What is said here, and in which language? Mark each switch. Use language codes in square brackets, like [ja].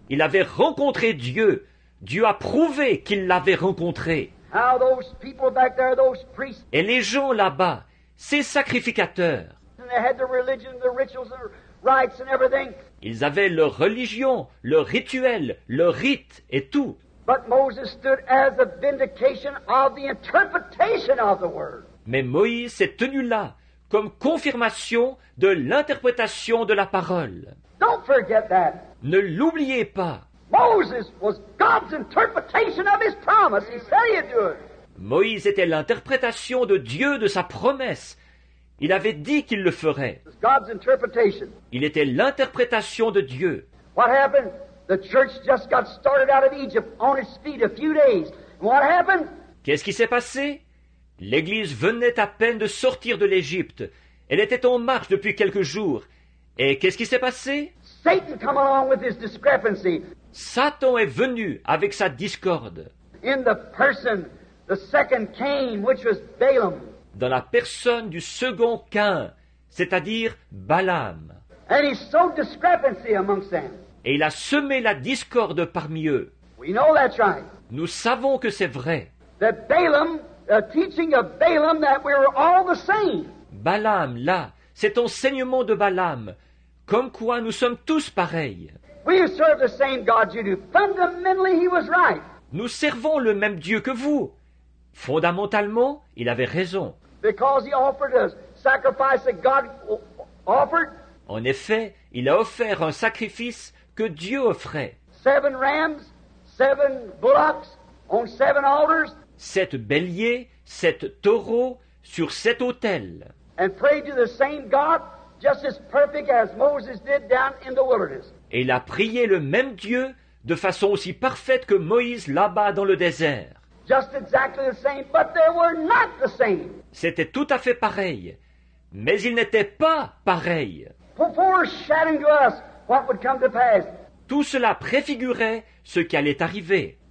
[fr] Il avait rencontré Dieu. Dieu a prouvé qu'il l'avait rencontré. [en] How those people back there, those priests. [fr] Et les gens là-bas, ces sacrificateurs, [en] and they had the religion, the rituals, the rites and everything. [fr] Ils avaient leur religion, leur rituel, leur rite et tout. [en] But Moses stood as a vindication of the interpretation of the word. [fr] Mais Moïse s'est tenu là comme confirmation de l'interprétation de la parole. [en] Don't forget that. [fr] Ne l'oubliez pas. [en] Moses was God's interpretation of his promise. He said he'd do it. [fr] Moïse était l'interprétation de Dieu de sa promesse. Il avait dit qu'il le ferait. [en] It was God's interpretation. [fr] Il était l'interprétation de Dieu. [en] What happened? The church just got started out of Egypt on its feet a few days. What happened? [fr] Qu'est-ce qui s'est passé? L'église venait à peine de sortir de l'Égypte. Elle était en marche depuis quelques jours. Et qu'est-ce qui s'est passé? [en] Satan come along with his discrepancy. [fr] Satan est venu avec sa discorde. [en] In the person, the second Cain, which was Balaam. [fr] Dans la personne du second Cain, c'est-à-dire Balaam. [en] And he sowed discrepancy amongst them. [fr] Et il a semé la discorde parmi eux. [en] We know that's right. [fr] Nous savons que c'est vrai. [en] That Balaam, the teaching of Balaam, that we were all the same. [fr] Balaam, là, cet enseignement de Balaam, comme quoi nous sommes tous pareils. [en] We serve the same God you do. Fundamentally, he was right. [fr] Nous servons le même Dieu que vous. Fondamentalement, il avait raison. [en] Because he offered a sacrifice that God offered. [fr] En effet, il a offert un sacrifice que Dieu offrait. [en] Seven rams, seven bullocks on seven altars. [fr] Sept béliers, sept taureaux sur sept autels. [en] And prayed to the same God, just as perfect as Moses did down in the wilderness. [fr] Et il a prié le même Dieu de façon aussi parfaite que Moïse là-bas dans le désert. [en] Just exactly the same, but they were not the same. [fr] C'était tout à fait pareil, mais il n'était pas pareil. [en] Foreshadowing to us. What would come to pass? [fr] Tout cela préfigurait ce qui allait arriver.